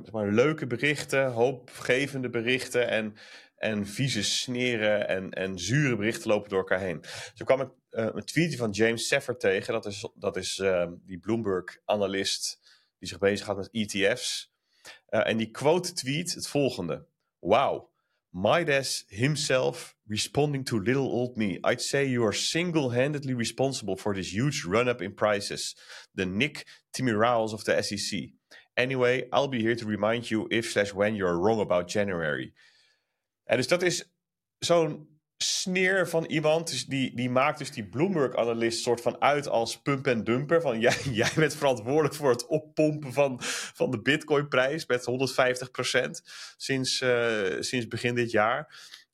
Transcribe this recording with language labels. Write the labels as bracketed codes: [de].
[nl] leuke berichten, hoopgevende berichten en vieze sneren en zure berichten lopen door elkaar heen. Zo kwam ik een tweetje van James Seffer tegen. Dat is die Bloomberg-analyst die zich bezighoudt met ETF's. En die quote tweet het volgende. [en] Wow, Midas himself responding to little old me. I'd say you are single-handedly responsible for this huge run-up in prices. The Nick Timiraos of the SEC. Anyway, I'll be here to remind you if/when you're wrong about January. [nl] En dus dat is zo'n sneer van iemand. Dus die maakt dus die Bloomberg-analyst soort van uit als pump en dumper. Van jij bent verantwoordelijk voor het oppompen van de Bitcoin-prijs met 150% sinds begin dit jaar.